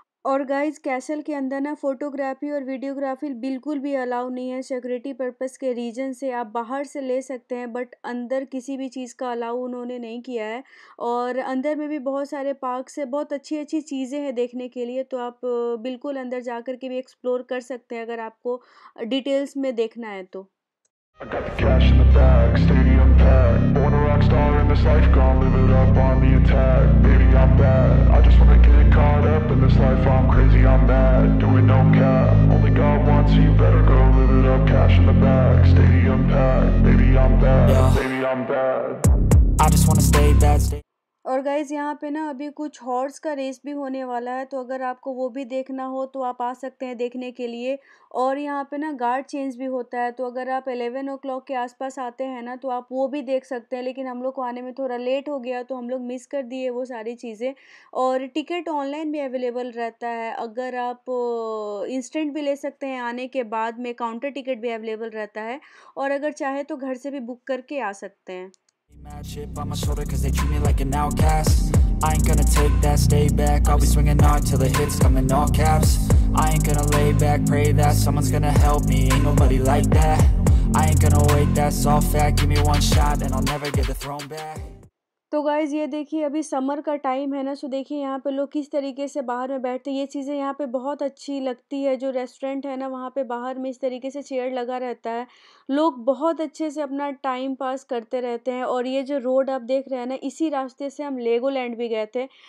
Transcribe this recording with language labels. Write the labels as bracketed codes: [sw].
[hi] और guys castle के अंदर ना फोटोग्राफी और वीडियोग्राफी बिल्कुल भी अलाउ नहीं है सिक्योरिटी पर्पस के रीज़न से, आप बाहर से ले सकते हैं बट अंदर किसी भी चीज़ का अलाउ उन्होंने नहीं किया है। और अंदर में भी बहुत सारे पार्क्स है, बहुत अच्छी अच्छी चीज़ें हैं देखने के लिए, तो आप बिल्कुल अंदर जा कर के भी एक्सप्लोर कर सकते हैं अगर आपको डिटेल्स में देखना है तो। [en] I got the cash in the bag, stadium packed. Born a rock star in this life, gone live it up on the attack. Baby, I'm bad, I just wanna get caught up in this life. I'm crazy, I'm mad, doing no cap. Only God wants you, better go live it up. Cash in the bag, stadium packed. Baby, I'm bad, baby, I'm bad. I just wanna stay bad, stay. [hi] और guys यहाँ पे ना अभी कुछ horse का race भी होने वाला है, तो अगर आपको वो भी देखना हो तो आप आ सकते हैं देखने के लिए। और यहाँ पे ना गार्ड चेंज भी होता है, तो अगर आप 11 o'clock के आसपास आते हैं ना तो आप वो भी देख सकते हैं, लेकिन हम लोग को आने में थोड़ा लेट हो गया तो हम लोग मिस कर दिए वो सारी चीज़ें। और टिकट ऑनलाइन भी अवेलेबल रहता है, अगर आप इंस्टेंट भी ले सकते हैं आने के बाद में, काउंटर टिकट भी अवेलेबल रहता है, और अगर चाहे तो घर से भी बुक करके आ सकते हैं। [en] Mad chip on my shoulder cause they treat me like an outcast. I ain't gonna take that, stay back, I'll be swinging hard till the hits come in all caps. I ain't gonna lay back, pray that someone's gonna help me, ain't nobody like that. I ain't gonna wait, that's all fact, give me one shot and I'll never get the throne back. [hi] तो guys ये देखिए अभी summer का time है ना, सो देखिए यहाँ पे लोग किस तरीके से बाहर में बैठते हैं। ये चीज़ें यहाँ पे बहुत अच्छी लगती है, जो रेस्टोरेंट है ना वहाँ पे बाहर में इस तरीके से चेयर लगा रहता है, लोग बहुत अच्छे से अपना टाइम पास करते रहते हैं। और ये जो रोड आप देख रहे हैं ना, इसी रास्ते से हम लेगोलैंड भी गए थे।